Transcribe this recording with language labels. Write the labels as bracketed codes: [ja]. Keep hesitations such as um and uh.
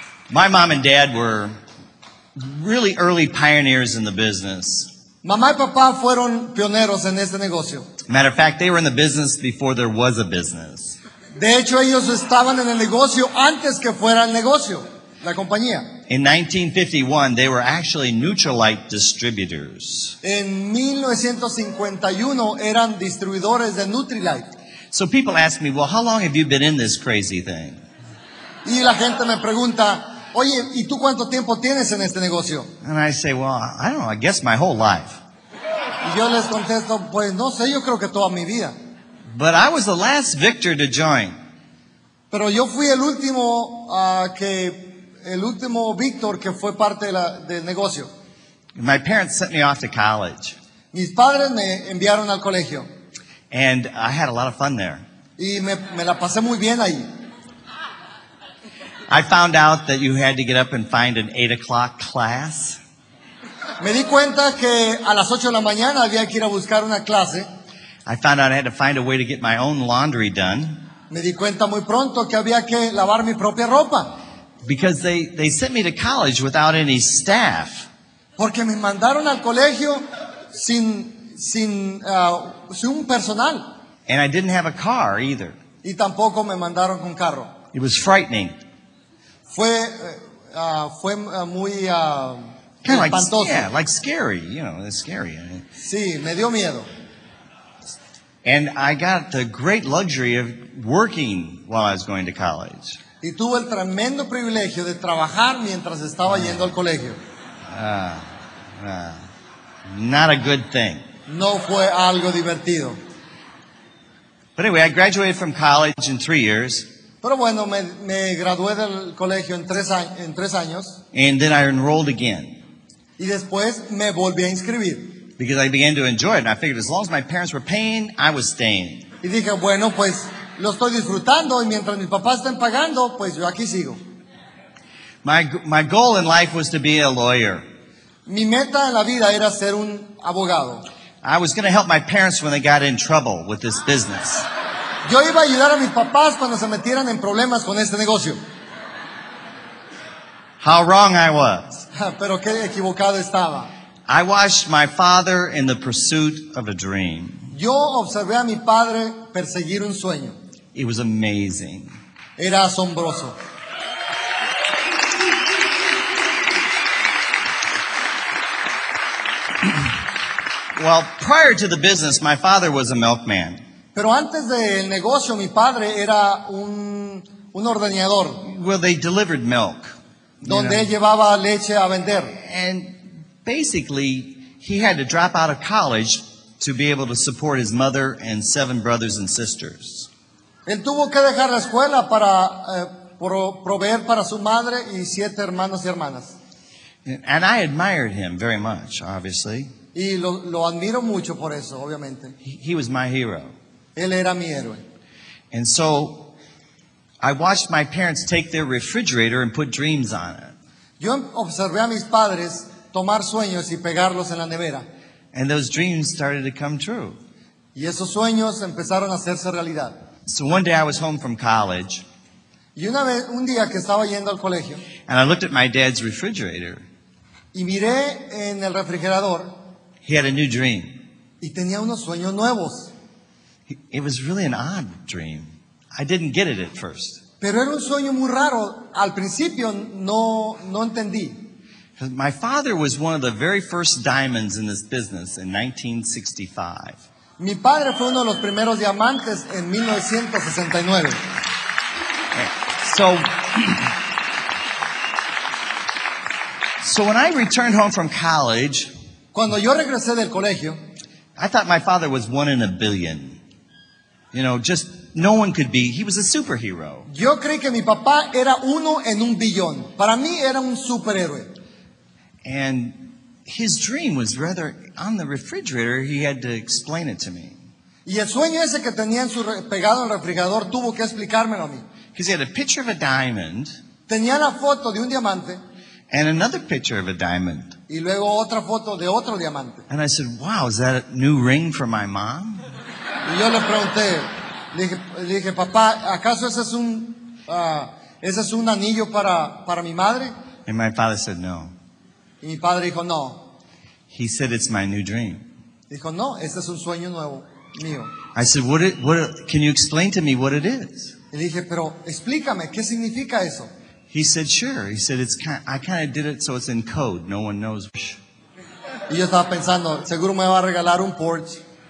[en] My mom and dad were really early pioneers in the business. [es] Mamá y papá fueron pioneros en este negocio. [en] Matter of fact, they were in the business before there was a business. [es] De hecho, ellos estaban en el negocio antes que fuera el negocio, la compañía. [en] In 1951, they were actually Neutralite distributors. [es] En 1951 eran distribuidores de Nutrilite. [en] So people ask me, well, how long have you been in this crazy thing? [es] Y la gente me pregunta, Oye, ¿y tú cuánto tiempo tienes en este negocio? Y yo les contesto, pues no sé, yo creo que toda mi vida. [en] But I was the last to join. [es] Pero yo fui el último uh, que el último víctor que fue parte de la, del negocio. [en] My sent me off to college. [es] Mis padres me enviaron al colegio. [en] And I had a lot of fun there. [es] Y me, me la pasé muy bien ahí. [en] I found out that you had to get up and find an 8 o'clock class. [es] Me di cuenta que a las 8 de la mañana había que ir a buscar una clase. [en] I found out I had to find a way to get my own laundry done. [es] Me di cuenta muy pronto que había que lavar mi propia ropa. [en] Because they, they sent me to college without any staff. [es] Porque me mandaron al colegio sin, sin, uh, sin un personal. [en] And I didn't have a car either. [es] Y tampoco me mandaron con carro. [en] It was frightening. [es] fue uh, fue uh, muy uh, espantoso. [en] Yeah, like, yeah, like, scary, you know, it's scary. I mean. [es] Sí, me dio miedo. [en] And I got the great luxury of working while I was going to college. [es] Y tuve el tremendo privilegio de trabajar mientras estaba uh, yendo al colegio. Uh, uh, [en] not a good thing. [es] No fue algo divertido. [en] But anyway, I graduated from college in three years. [es] Pero bueno, me, me gradué del colegio en, tres a, en tres años. [en] And then I enrolled again. [es] Y después me volví a inscribir. [en] Because I began to enjoy it. And I figured as long as my parents were paying, I was staying. [es] Y dije, bueno, pues lo estoy disfrutando y mientras mis papás estén pagando, pues yo aquí sigo. [en] My, my goal in life was to be a lawyer. [es] Mi meta en la vida era ser un abogado. [en] I was going to help my parents when they got in trouble with this business. [es] Yo iba a ayudar a mis papás cuando se metieran en problemas con este negocio. [en] How wrong I was. [es] Pero qué equivocado estaba. [en] I watched my father in the pursuit of a dream. [es] Yo observé a mi padre perseguir un sueño. [en] It was amazing. [es] Era asombroso. [en] well, prior to the business, my father was a milkman. [es] Pero antes del de negocio, mi padre era un, un ordenador. [en] Well, they delivered milk. Donde you know. [es] llevaba leche a vender. [en] And basically, he had to drop out of college to be able to support his mother and seven brothers and sisters. [es] Él tuvo que dejar la escuela para uh, pro proveer para su madre y siete hermanos y hermanas. [en] And I admired him very much, obviously. [es] Y lo, lo admiro mucho por eso, obviamente. [en] he, he was my hero. And so I watched my parents take their refrigerator and put dreams on it. [es] Yo observé a mis padres tomar sueños y pegarlos en la nevera. [en] And those dreams started to come true. [es] Y esos sueños empezaron a hacerse realidad. [en] So one day I was home from college. [es] Y una vez, un día que estaba yendo al colegio. [en] And I looked at my dad's refrigerator. [es] Y miré en el refrigerador. [en] He had a new dream. [es] Y tenía unos sueños nuevos [en] it was really an odd dream. I didn't get it at first. [es] Pero era un sueño muy raro. Al principio no, no entendí. [en] My father was one of the very first diamonds in this business in 1965. [es] Mi padre fue uno de los primeros diamantes en 1969. [en] So, so when I returned home from college, [es] cuando yo regresé del colegio, [en] I thought my father was one in a billion. You know, just no one could be. He was a superhero. [es] Yo creí que mi papá era uno en un billón. Para mí era un superhéroe. [en] And his dream was rather on the refrigerator. He had to explain it to me. [es] Y el sueño ese que tenía en su pegado en el refrigerador tuvo que explicármelo a mí. [en] Because he had a picture of a diamond. [es] Tenía la foto de un diamante. [en] And another picture of a diamond. [es] Y luego otra foto de otro diamante. [en] And I said, "Wow, is that a new ring for my mom?" [es] Y yo le pregunté, le dije, le dije papá, ¿acaso ese es un, uh, ese es un anillo para, para mi madre? Y my padre said, no. Y mi padre dijo, no. [en] He said, it's my new dream. [es] Dijo, no, ese es un sueño nuevo mío. [en] I said, what it, what, can you explain to me what it is? [es] Y le dije, pero explícame, ¿qué significa eso? [en] He said, sure. He said, it's kind I kind of did it so it's in code. No one knows. [es] Y yo estaba pensando, seguro me va a regalar un Porsche.